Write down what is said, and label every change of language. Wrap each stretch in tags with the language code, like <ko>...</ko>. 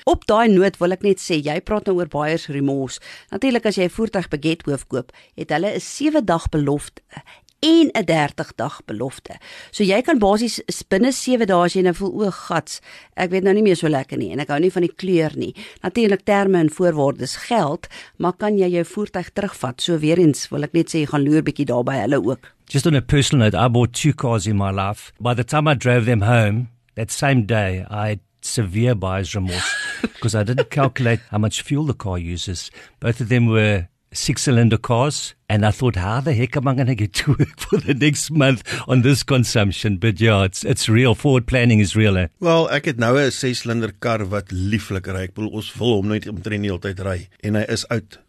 <af>Op daai noot wil ek net sê, jy praat nou oor buyer's remorse. Natuurlik as jy 'n voertuig by Getworth koop, het hulle 'n 7-dag belofte en 'n 30-dag belofte. So jy kan basies binne 7 dae as jy nou voel gats, ek weet nou nie meer so lekker nie en ek hou nie van die kleur nie. Natuurlik terme en voorwaardes geld, maar kan jy jou voertuig terugvat? So weer eens wil ek net sê, jy gaan loer bietjie daarby hulle ook.</af> <en>Just on a personal note, I bought 2 cars in my life. By the time I drove them home, that same day, I had severe buyer's remorse because I didn't calculate how much fuel the car uses. Both of them were 6-cylinder cars, and I thought, how the heck am I going to get to work for the next month on this consumption? But yeah, it's real. Forward planning is real.</en> <af>Well, ek het nou 'n 6-cylinder kar wat lieflik ry. Ek wil ons wil hom net omtrent die hele tyd ry, en hy is oud.</af>